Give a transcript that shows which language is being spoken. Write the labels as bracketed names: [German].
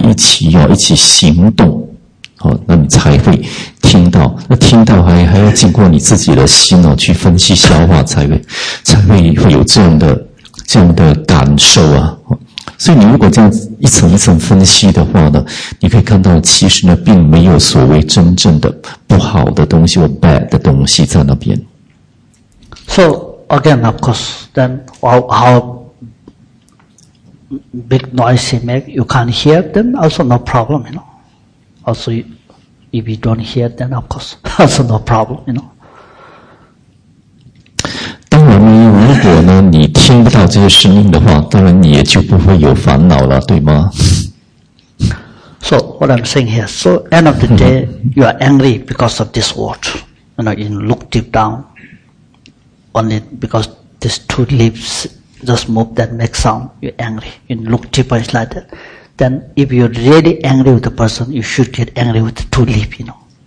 [Chinese] 所以当你觉得是敌人或者不好的东西的时候，就上次听我们就有讲过了。其实呢，也并不是他的头啊，也并不是他的脚啊，就是当你觉得很差劲或很坏啊什么，其实这话这个生命的嘴是他的两个嘴唇呢合在一起啊，讲出来的话，BAD，一个嘴唇是讲不动了，需要两个嘴唇合在一起，而且口要张开，如果没有张开也是没有声音，也是听不到的。这个办呢是需要两个嘴唇合在一起啊，一起行动。那你才会听到，那听到还要经过你自己的心脑去分析消化，才会有这样的感受啊。所以你如果这样一层一层分析的话呢，你可以看到其实呢并没有所谓真正的不好的东西或 bad 的东西在那边。 [English] So again, of course, then how big noise they make, you can't hear them, also no problem, you know. Also, if you don't hear, then of course, also no problem, you know. [Chinese] 当然呢，如果呢你听不到这些声音的话，当然你也就不会有烦恼了，对吗？ [English] So what I'm saying here, so end of the day, you are angry because of this word, you know, you look deep down, only because these two leaves just move that make sound, you're angry, you look deeper, it's like that. Then if you're really angry with the person, you should get angry with the two leaves, you know.